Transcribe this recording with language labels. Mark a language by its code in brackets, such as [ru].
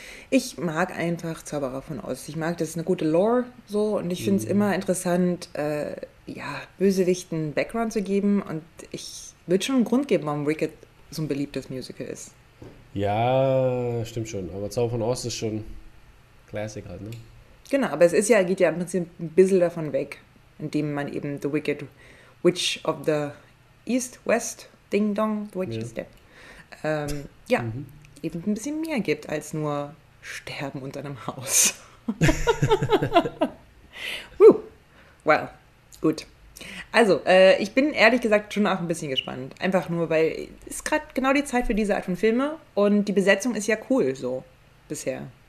[de] Ich mag einfach Zauberer von Oz. Ich mag, das ist eine gute Lore so, und ich finde es immer interessant, ja, Bösewichten Background zu geben. Und ich würde schon einen Grund geben, warum Wicked so ein beliebtes Musical ist. Ja, stimmt schon. Aber Zauber von Ost ist schon Classic halt, ne? Genau, aber es ist ja, geht ja im Prinzip ein bisschen davon weg, indem man eben The Wicked [en] Witch of the East, West, Ding Dong, the Witch is dead. [de] Ja, eben ein bisschen mehr gibt als nur sterben unter einem Haus. Well, gut. Also, ich bin ehrlich gesagt schon auch ein bisschen gespannt. Einfach nur, weil es ist gerade genau die Zeit für diese Art von Filme und die Besetzung ist ja cool so bisher.